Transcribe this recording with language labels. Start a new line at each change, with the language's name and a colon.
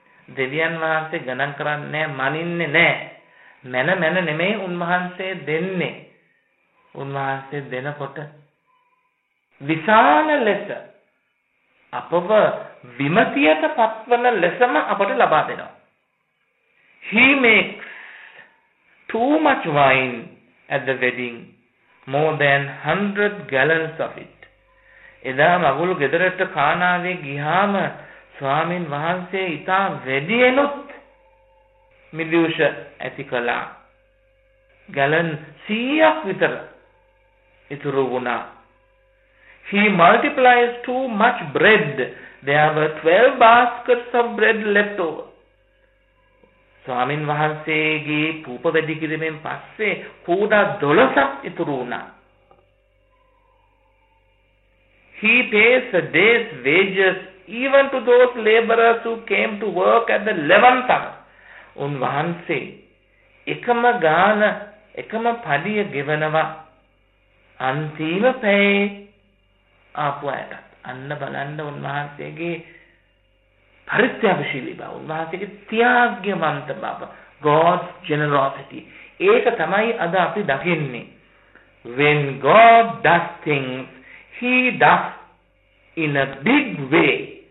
Sinhala: දෙවියන් වහන්සේ ගණන් කරන්නේ නැහැ, මනින්නේ නැහැ. මන මන නෙමෙයි උන්වහන්සේ දෙන්නේ. උන්වහන්සේ දෙනකොට විශාල ලෙස අපව විමතියට පත්වන ලෙසම අපට ලබා දෙනවා.
English: He makes too much wine at the wedding, more than 100 gallons of it.
Sinhala: එදා මගුල් ගෙදරට කානාවේ ගියාම ස්වාමීන් වහන්සේ ඉතා වැඩියෙනුත් මිදුෂ ඇති කළා. ගැලන් 100ක් විතර ඉතුරු වුණා.
English: He multiplies too much bread. There were 12 baskets of bread left over.
Sinhala: ස්වාමීන් වහන්සේගේ පූප වැඩි කිරීමෙන් පස්සේ කූඩා 12ක් ඉතුරු වුණා.
English: He pays a day's wages even to those laborers who came to work at the 11th hour.
Sinhala: උන්වහන්සේ එකම ගාන එකම පඩිය ගෙවනවා අන්තිම පැයේ ආපු අයටත්. අන්න බලන්න උන්වහන්සේගේ පරිත්‍යාගශීලී බව, උන්වහන්සේගේ ත්‍යාග්‍යමන්ත බව,
English: God's generosity.
Sinhala: ඒක තමයි අද අපි දකින්නේ.
English: When God does things, He does in a big way.